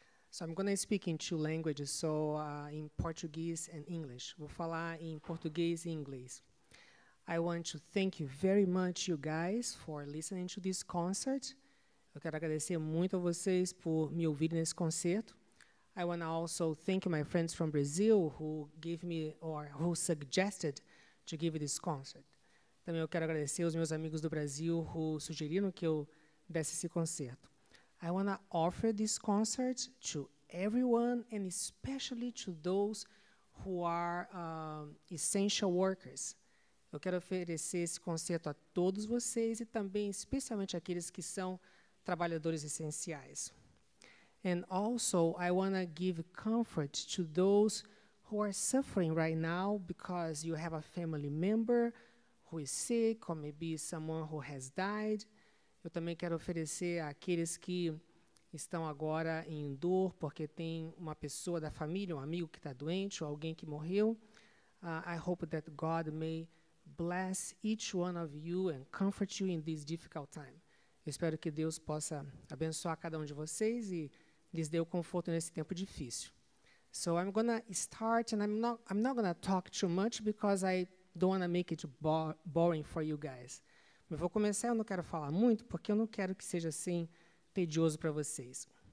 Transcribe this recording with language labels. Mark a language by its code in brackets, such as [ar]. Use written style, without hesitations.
[en] So I'm going to speak in two languages, so in Portuguese and English. [pt] Vou falar em português e inglês. [en] I want to thank you very much, you guys, for listening to this concert. [pt] Eu quero agradecer muito a vocês por me ouvir nesse concerto. [en] I want to also thank my friends from Brazil who gave me or who suggested to give this concert. [pt] Também eu quero agradecer os meus amigos do Brasil who sugeriram que eu desse esse concerto. [en] I want to offer this concert to everyone and especially to those who are essential workers. [pt] Eu quero oferecer esse concerto a todos vocês e também especialmente aqueles que são trabalhadores essenciais. [en] And also, I want to give comfort to those who are suffering right now because you have a family member who is sick or maybe someone who has died. [pt] Eu também quero oferecer àqueles que estão agora em dor porque tem uma pessoa da família, um amigo que está doente ou alguém que morreu. [en] I hope that God may bless each one of you and comfort you in this difficult time. [pt] Eu espero que Deus possa abençoar cada um de vocês e lhes dê o conforto nesse tempo difícil. [en] So I'm going to start and I'm not going to talk too much because I don't want to make it boring for you guys. [pt] Eu vou começar, eu não quero falar muito, porque eu não quero que seja assim tedioso para vocês.